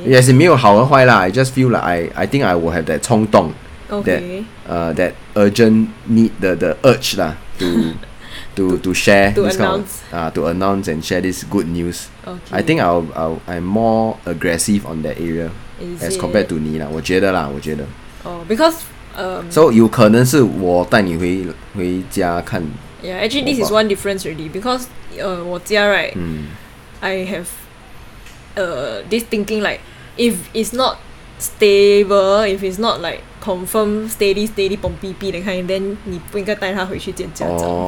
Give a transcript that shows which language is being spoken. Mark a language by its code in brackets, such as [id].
[en] Yes, [zh] 没有好和坏 [en] lah. I just feel like I think I will have that [zh] 冲动 [en] that, that urgent need, the urge, lah. To share to this announce. Kind of, to announce and share this good news. Okay. I think I'm more aggressive on that area as compared to [zh] 你啦，我觉得啦，我觉得。 [en] Oh, because [zh] So 有可能是我带你回家看。 [en] Yeah, actually this is one difference already because [zh] 我家 [en] right, I have this thinking like, if it's not stable, if it's not like confirm steady pompipi that kind, then [zh] 你不应该带他回去见家长。